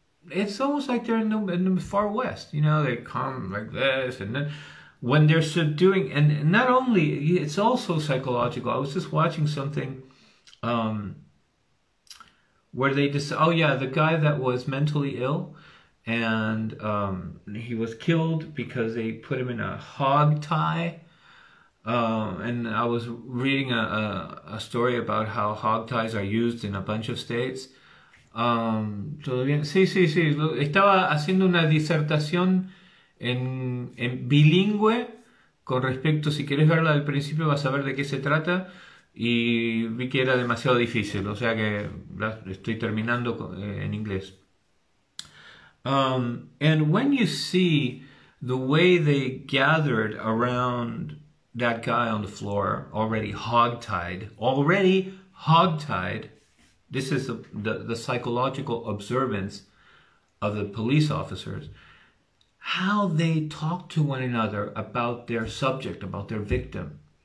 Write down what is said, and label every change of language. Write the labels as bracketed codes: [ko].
[en] It's almost like they're in the far west. They come like this, and then when they're subduing, and not only it's also psychological. I was just watching something where they just oh yeah, the guy that was mentally ill. And he was killed because they put him in a hog tie. And I was reading a story about how hog ties are used in a bunch of states. [es] ¿Todo bien? Sí. Estaba haciendo una disertación en bilingüe con respecto, si quieres verla al principio, vas a ver de qué se trata. Y vi que era demasiado difícil, o sea que estoy terminando en inglés. [en] And when you see the way they gathered around that guy on the floor, already hogtied, this is the psychological observance of the police officers, how they talk to one another about their subject, about their victim.